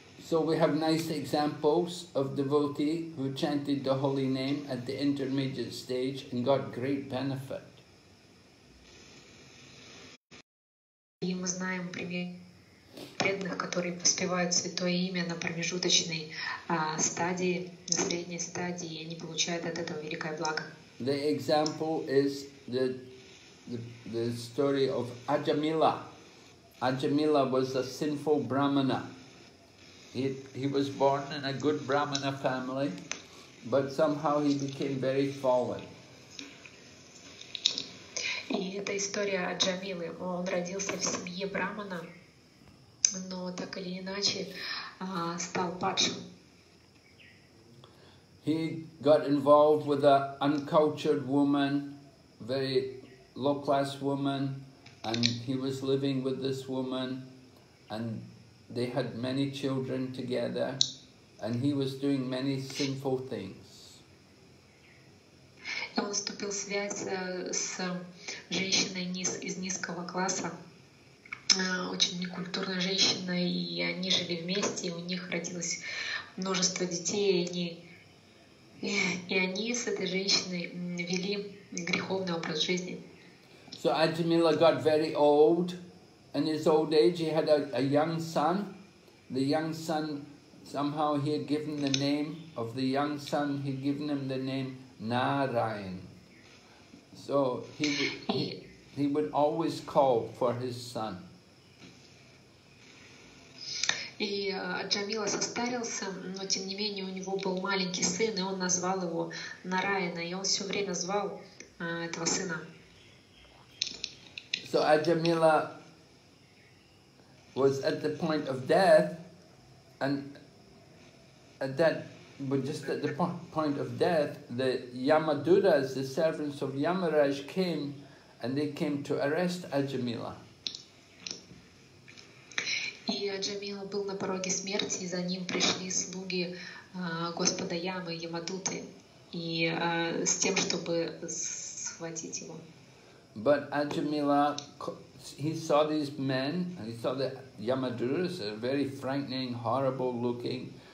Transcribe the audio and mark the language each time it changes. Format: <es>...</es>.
<en>So we have nice examples of devotees who chanted the holy name at the intermediate stage and got great benefit.</en> <ru>И мы знаем примеры преданных, которые воспевают святое имя на промежуточной стадии, на средней стадии, и они получают от этого великое благо.</ru> <en>The example is the story of Ajamila. Ajamila was a sinful brahmana. He was born in a good brahmana family, but somehow he became very fallen.</en> <ru>И это история о Джамиле. Он родился в семье брахмана, но так или иначе стал падшим.</ru> <en>He got involved with an uncultured woman, very low class woman, and he was living with this woman, and they had many children together, and he was doing many sinful things.</en> <ru>Он вступил в связь с женщиной из низкого класса, очень некультурной женщиной, и они жили вместе, и у них родилось множество детей, и они с этой женщиной вели греховный образ жизни.</ru> <en>So Ajamila got very old. In his old age, he had a young son. The young son, somehow he had given the name of the young son, he'd given him the name Narayan. So he would always call for his son.</en> <ru>И Джамила состарился, но тем не менее у него был маленький сын, и он назвал его Нараяна, и он все время звал этого сына.</ru> <en>So Ajamila was at the point of death, and at that, but just at the point of death, the Yamadutas, the servants of Yamaraj, came, and they came to arrest Ajamila.</en> <ru>И Аджамила был на пороге смерти, и за ним пришли слуги господа Ямы, Ямадуты, и с тем, чтобы схватить его.</ru> <en>But Ajamila, he saw these men, and he saw the Yamadutas, very frightening, horrible looking.</en>